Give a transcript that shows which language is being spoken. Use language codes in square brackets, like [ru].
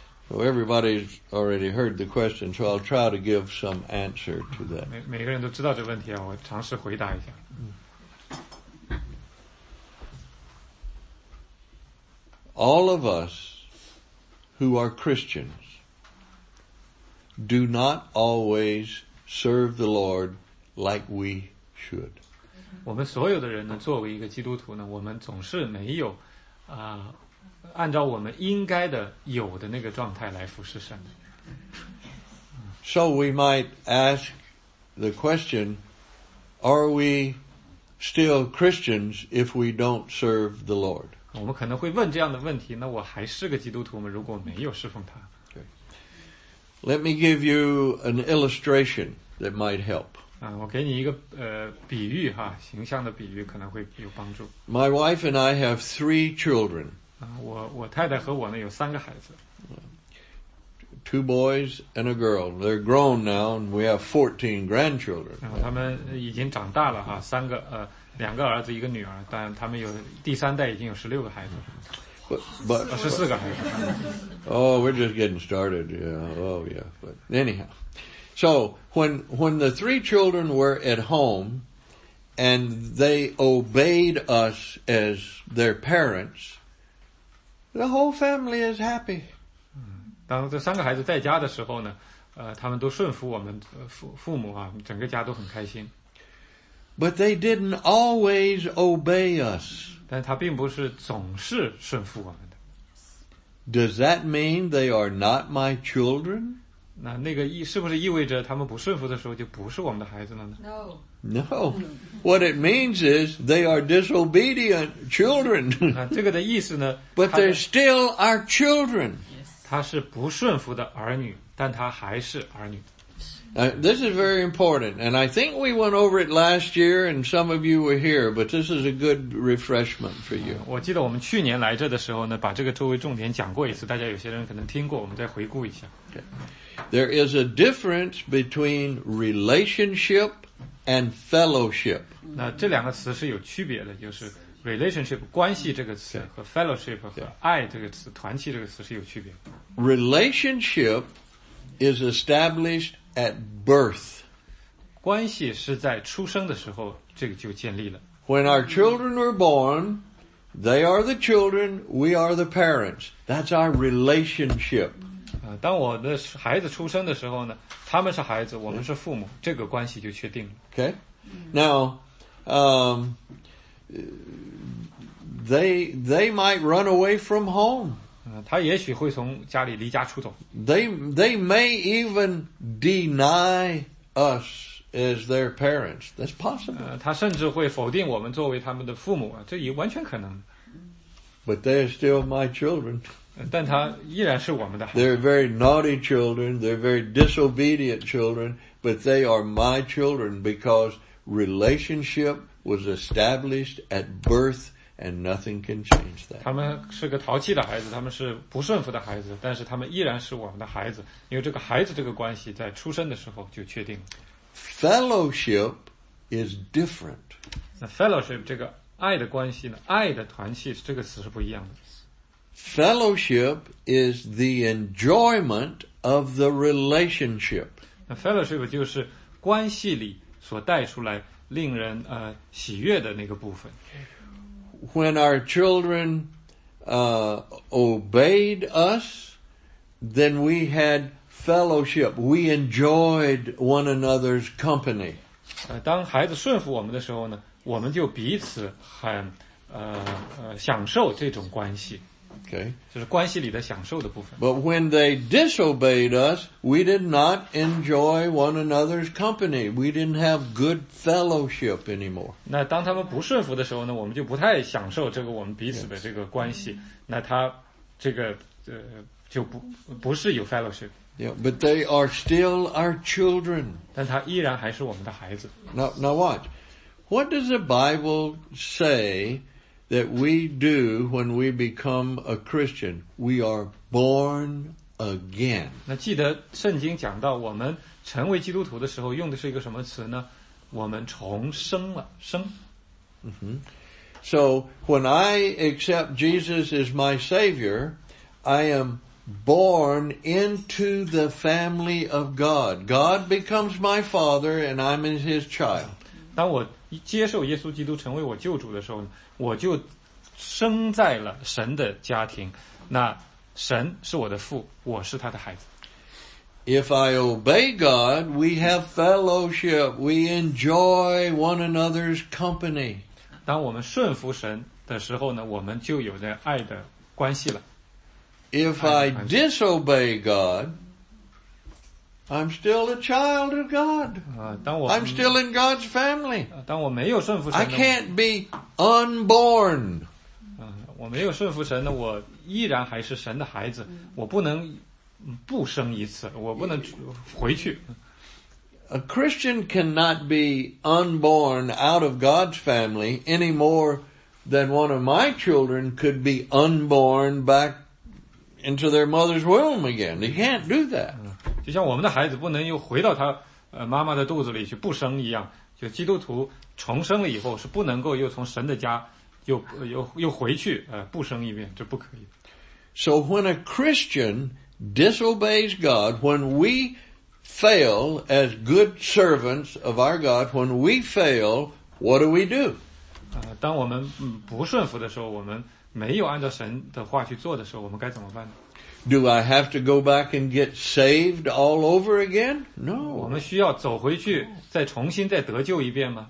[en] Well, everybody's already heard the question, so I'll try to give some answer to that. [zh] 每个人都知道这个问题啊，我尝试回答一下。 [en] All of us who are Christians do not always serve the Lord like we should. [zh] 我们所有的人呢，作为一个基督徒呢，我们总是没有啊。按照我们应该的有的那个状态来服侍神。 [en] So we might ask the question, are we still Christians if we don't serve the Lord? [zh] 我们可能会问这样的问题，那我还是个基督徒吗？如果没有侍奉他。 [en] Let me give you an illustration that might help. [zh] 我给你一个比喻哈，形象的比喻可能会有帮助。 [en] My wife and I have three children. [zh] 我太太和我呢有三个孩子。 [en] Two boys and a girl. They're grown now and we have 14 grandchildren. [zh] 他们已经长大了哈，三个两个儿子一个女儿，但他们有第三代已经有16个孩子。 [en] But [zh] 14个孩子。 [en] Oh, we're just getting started. Yeah. Oh, yeah. But anyhow. So, when the three children were at home and they obeyed us as their parents,The whole family is happy. [zh] 当这三个孩子在家的时候呢，他们都顺服我们父母啊，整个家都很开心。 [en] But they didn't always obey us. [zh] 但他并不是总是顺服我们的。 [en] Does that mean they are not my children? [zh] 那个是不是意味着他们不顺服的时候就不是我们的孩子了呢？ [en] No. No. What it means is they are disobedient children. [zh] 这个的意思呢 [en] But they're still our children. [zh] 他是不顺服的儿女，但他还是儿女。 [en] This is very important, and I think we went over it last year, and some of you were here, but this is a good refreshment for you. [zh] 我记得我们去年来这的时候呢，把这个作为重点讲过一次，大家有些人可能听过，我们再回顾一下。 [en] There is a difference between relationship and fellowship. [zh] 那这两个词是有区别的，就是 relationship 关系这个词和 fellowship 和爱这个词团契这个词是有区别的。 [en] Relationship is established at birth. [zh] 关系是在出生的时候这个就建立了。 [en] When our children were born, they are the children, we are the parents. That's our relationship. [zh] 当我的孩子出生的时候呢，他们是孩子，我们是父母，这个关系就确定了。 [en] Okay, now, they might run away from home. [zh] 他也许会从家里离家出走。 [en] They may even deny us as their parents. That's possible. [zh] 他甚至会否定我们作为他们的父母，这也完全可能。 [en] But they are still my children. [zh] 但他依然是我们的孩子。 [en] They're very naughty children, they're very disobedient children, but they are my children because relationship was established at birth and nothing can change that. [zh] 他们是个淘气的孩子，他们是不顺服的孩子，但是他们依然是我们的孩子，因为这个孩子这个关系在出生的时候就确定了。 [en] Fellowship is different. [zh] Fellowship 这个爱的关系呢，爱的团契这个词是不一样的。 [en] Fellowship is the enjoyment of the relationship. [zh] Fellowship 就是关系里所带出来令人喜悦的那个部分。 [en] When our children obeyed us, then we had fellowship. We enjoyed one another's company. [zh] 当孩子顺服我们的时候呢，我们就彼此很享受这种关系。 [en] Okay. [zh] 就是关系里的享受的部分。 [en] But when they disobeyed us, we did not enjoy one another's company. We didn't have good fellowship anymore. [zh] 那当他们不顺服的时候呢，我们就不太享受这个我们彼此的这个关系。 [en] Yes. [zh] 那他这个就不是有 fellowship。 [en] Yeah, but they are still our children. [zh] 但他依然还是我们的孩子。 [en] Now watch. What does the Bible say that we do when we become a Christian? We are born again. [zh] 那记得圣经讲到我们成为基督徒的时候用的是一个什么词呢？我们重生了，生。 Mm-hmm. [en] So when I accept Jesus as my Savior, I am born into the family of God. God becomes my Father and I'm His child. [zh] 当我接受耶稣基督成为我救主的时候呢，我就生在了神的家庭，那神是我的父，我是他的孩子。 [en] If I obey God, we have fellowship, we enjoy one another's company. [zh] 当我们顺服神的时候呢，我们就有着爱的关系了。 [en] If I disobey God, I'm still a child of God. [zh] 当我 [en] I'm still in God's family. [zh] 当我没有顺服神 [en] I can't be unborn. [zh] 我没有顺服神呢，我依然还是神的孩子，我不能不生一次，我不能回去。 [en] A Christian cannot be unborn out of God's family any more than one of my children could be unborn back into their mother's womb again. He can't do that. [zh] 就像我们的孩子不能又回到他妈妈的肚子里去不生一样，就基督徒重生了以后是不能够又从神的家又回去不生一遍，这不可以。 [en] So when a Christian disobeys God, when we fail as good servants of our God, when we fail, what do we do? [zh] 当我们不顺服的时候，我们没有按照神的话去做的时候，我们该怎么办呢？ [en] Do I have to go back and get saved all over again? No. [zh] 我们需要走回去再重新再得救一遍吗？